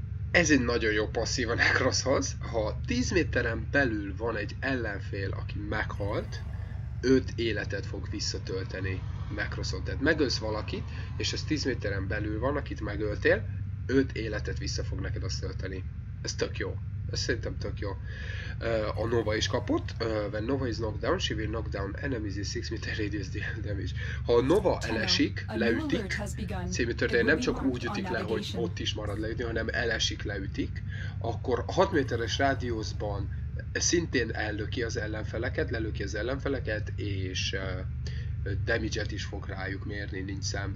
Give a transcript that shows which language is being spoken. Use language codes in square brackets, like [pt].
[hu] Ez egy nagyon jó passzív a Necroshoz. Ha 10 méteren belül van egy ellenfél, aki meghalt, 5 életet fog visszatölteni Necroson. Tehát megölsz valakit, és ez 10 méteren belül van, akit megöltél, 5 életet vissza fog neked azt tölteni. Ez tök jó. Ez szerintem tök jó. A Nova is kapott. [en] When Nova is knocked down, she will knock down enemies in 6 meter radius damage. [hu] Ha a Nova elesik, leütik, című történet nem csak úgy ütik le, hogy ott is marad leütni, hanem elesik, leütik, akkor 6 méteres rádiuszban szintén ellöki az ellenfeleket, lelöki az ellenfeleket, és damage-et is fog rájuk mérni, nincs szám.